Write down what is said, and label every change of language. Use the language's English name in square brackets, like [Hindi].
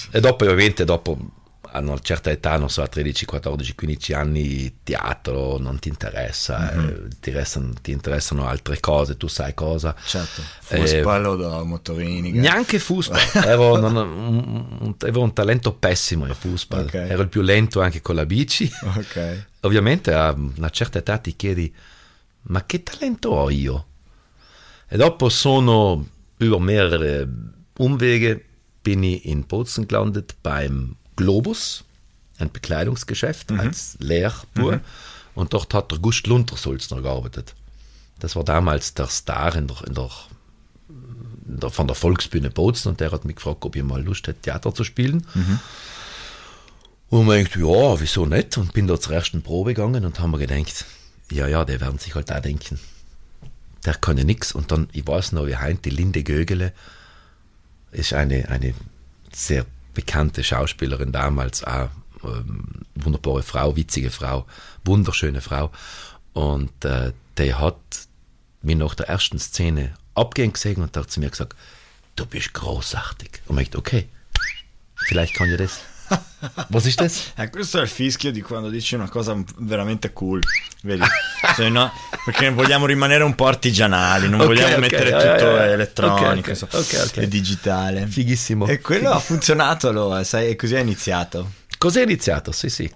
[Italian] E dopo, ovviamente, dopo a una certa età, non so, a 13, 14, 15 anni, teatro non ti interessa, ti interessano altre cose, tu sai cosa. Certo, fusballo da motorini. Neanche fusball, avevo un talento pessimo in fusball, okay. Ero il più lento anche con la bici. Okay. Ovviamente a una certa età ti chiedi, ma che talento ho io? E dopo sono, [German] über mehrere Umwege, bin ich in Bozen gelandet beim Globus, ein Bekleidungsgeschäft, als Lehrbuhr. Mhm. Und dort hat der Gust Luntersulzner gearbeitet. Das war damals der Star in der von der Volksbühne Bozen und der hat mich gefragt, ob ich mal Lust hätte, Theater zu spielen. Und ich dachte, ja, wieso nicht? Und bin da zur ersten Probe gegangen und haben mir gedacht, ja, die werden sich halt auch denken, der kann ja nichts. Und dann, ich weiß noch, wie heint, die Linde Gögele ist eine sehr bekannte Schauspielerin damals, auch wunderbare Frau, witzige Frau, wunderschöne Frau. Und die hat mich nach der ersten Szene abgehen gesehen und hat zu mir gesagt, du bist großartig. Und ich dachte, okay, vielleicht kann ich das. Was ist das? [Italian] Questo è il fischio di quando dici una cosa veramente cool, vedi? Cioè, no? Perché vogliamo rimanere un po' artigianali, non vogliamo mettere tutto elettronico e digitale. Fighissimo. E quello ha funzionato, sai, e così è iniziato. Così è iniziato, sì.